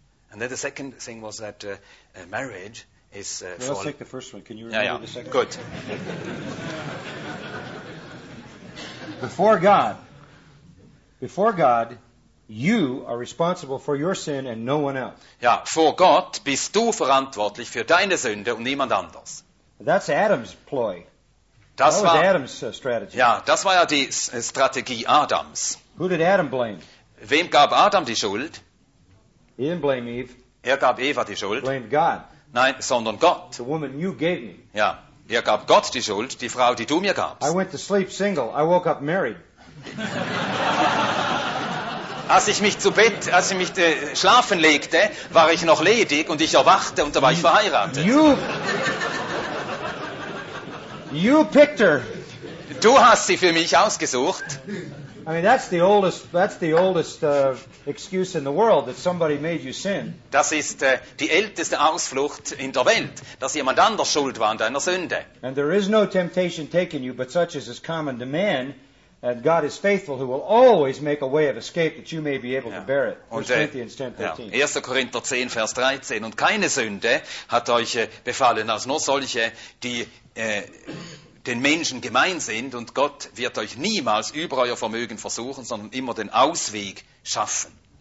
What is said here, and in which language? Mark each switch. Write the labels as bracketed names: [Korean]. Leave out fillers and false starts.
[English] And then the second thing was that marriage is... let's take the first one. Can you remember the second? Good. Before God, you are responsible for your sin and no one else. [German] Ja, vor Gott bist du verantwortlich für deine Sünde und niemand anders. [English] That's Adam's ploy. Adam's strategy. [German] Ja, das war ja die Strategie Adams. [English] Who did Adam blame? [German] Wem gab Adam die Schuld? [English] He didn't blame Eve. [German] Er gab Eva die Schuld. [English] Blamed God. [German] Nein, sondern Gott. [English] The woman you gave me. [German] Ja, er gab Gott die Schuld, die Frau, die du mir gabst. [English] I went to sleep single. I woke up married. [German] Als ich mich schlafen legte, war ich noch ledig und ich erwachte und da war ich verheiratet. [English] You picked her. [German] Du hast sie für mich ausgesucht. [English] I mean, that's the oldest excuse in the world, that somebody made you sin. [German] Das ist die älteste Ausflucht in der Welt, dass jemand anders schuld war an deiner Sünde. [English] And there is no temptation taking you, but such as is common to man, and God is faithful, who will always make a way of escape that you may be able to bear it. 1 Corinthians 10:13. [German] Ja. 1. Korinther 10, Vers 13. Und keine Sünde hat euch befallen, als nur solche, die den Menschen gemein sind, und Gott wird euch niemals über euer Vermögen versuchen, sondern immer den Ausweg schaffen.